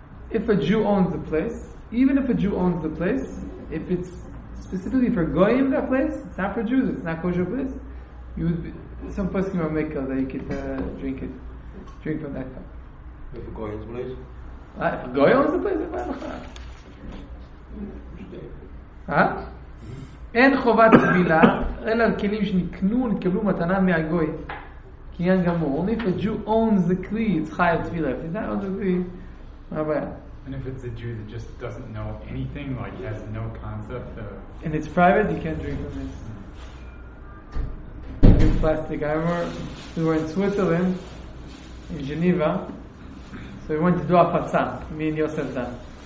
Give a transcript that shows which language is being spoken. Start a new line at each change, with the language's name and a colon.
English: If a Jew owns the place, even if a Jew owns the place, if it's specifically for goyim, that place, it's not for Jews, it's not kosher place, you would be, some place can make a that you could drink it, drink from that cup. If a goy owns the place? If a goy owns the place, huh?
Hebrew: אין חובת טבילה, אלא כלים שנקנו, נקבלו מתנה מהגוי. קניין גמור.
English: If a Jew owns the כלי, it's
Hebrew: חייב טבילה.
English: If it's not owns the כלי,
Hebrew: מה הבעיה?
English: And if it's a Jew that just doesn't know anything, like has no concept of... And it's private, you can't drink from this. Mm-hmm. Plastic. I remember we were in Switzerland, in Geneva, so we went to do a fatsa, me and Yosef Dan.